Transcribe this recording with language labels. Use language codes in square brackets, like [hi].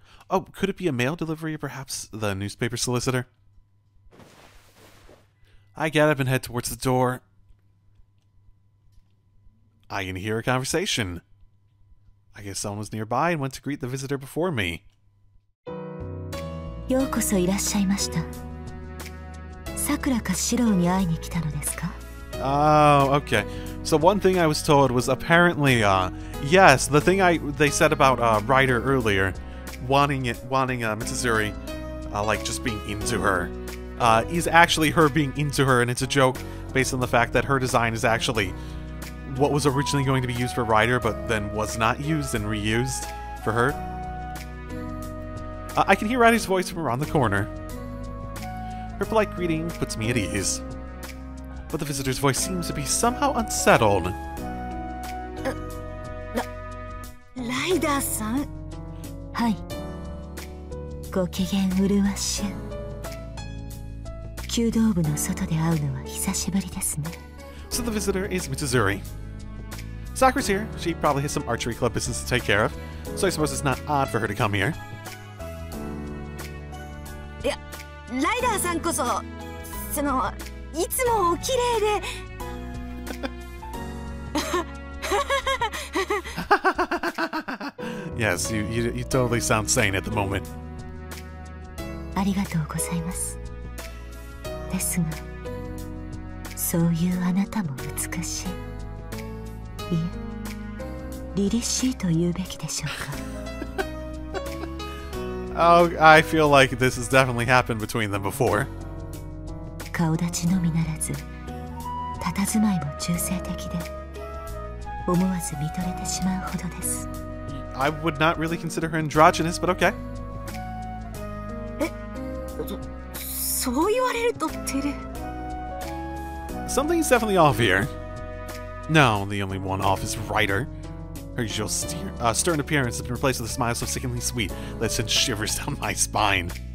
[en] Oh, could it be a mail delivery, perhaps? The newspaper solicitor? I get up and head towards the door. I can hear a conversation. I guess someone was nearby and went to greet the visitor before me. [ja] ようこそいらっしゃいました。さくらかシローに会いに来たのですか? [en] Oh, okay. So one thing I was told was apparently, yes, the thing they said about Ryder earlier, wanting Mitsuzuri, like just being into her, is actually her being into her, and it's a joke based on the fact that her design is actually what was originally going to be used for Ryder, but then was not used and reused for her. I can hear Ryder's voice from around the corner. Her polite greeting puts me at ease. But the visitor's voice seems to be somehow unsettled. Ryder-san? [ja] Hi. ご機嫌うるわしゅ。弓道部の外で会うのは久しぶりですね。 [en] So the visitor is Mitsuzuri. Sakura's here. She probably has some archery club business to take care of. So I suppose it's not odd for her to come here. [ja] ライダーさんこそ、そのいつもお綺麗で。 [en] Yes, you totally sound sane at the moment. [ja] ありがとうございます。ですが、そういうあなたも美しい。いえ、リリシーと言うべきでしょうか。 [en] Oh, I feel like this has definitely happened between them before. [ja] 顔立ちのみならず、たたずまいも中性的で、思わず見とれてしまうほどです。 [en] I would not really consider her androgynous, but okay. [ja] そう言われると、てる。 [en] Something is definitely off here. No, the only one off is Ryder. Her usual stern appearance has been replaced with a smile so sickeningly sweet that sends shivers down my spine.